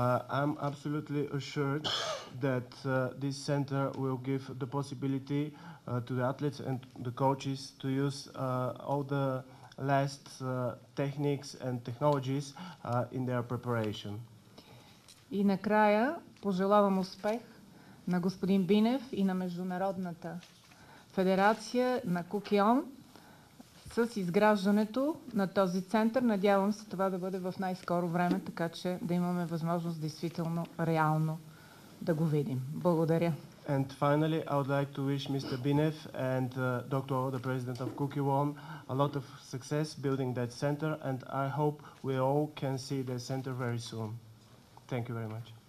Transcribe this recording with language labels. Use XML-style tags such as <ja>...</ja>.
<en>I'm absolutely assured that this center will give the possibility to the athletes and the coaches to use all the last techniques and technologies in their preparation.</en> <bg>И накрая пожелавам успех на господин Бинев и на Международната федерация на Кукион с изграждането на този център. Надявам се това да бъде в най-скоро време, така че да имаме възможност действително реално да го видим. Благодаря.</bg> <en>And finally, I would like to wish Mr. Binev and Dr. O, the president of Kukiwon, a lot of success building that center, and I hope we all can see the center very soon. Thank you very much.</en>